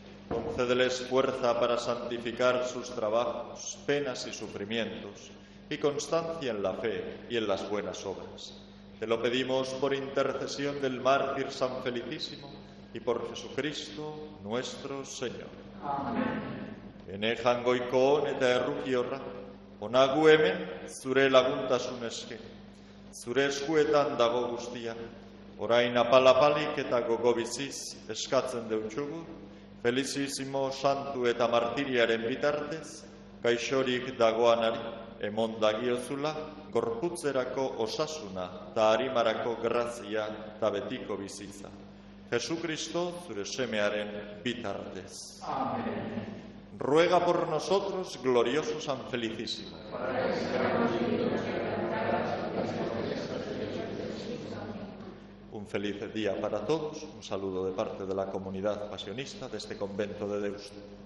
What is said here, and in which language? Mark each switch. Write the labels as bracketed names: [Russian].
[Spanish] Concédeles fuerza para santificar sus trabajos, penas y sufrimientos, y constancia en la fe y en las buenas obras. Te lo pedimos por intercesión del mártir San Felicísimo y por Jesucristo nuestro Señor. Amén. [Basque] En ejangoikoon eta errukiorra, onagu hemen, zure laguntasun eske. Zure eskuetan dago guztia, orain apalapalik eta gogo biziz eskatzen deutxugu, Felicísimo santu eta martiriaren bitartez, gaixorik dagoanari, emon dagiozula, gorputzerako osasuna eta arimarako grazia eta betiko biziza. Jesucristo, zure semearen bitartez. Amen. [Spanish] Ruega por nosotros, glorioso San Felicísimo. feliz día para todos. Un saludo de parte de la comunidad pasionista de este convento de Deusto.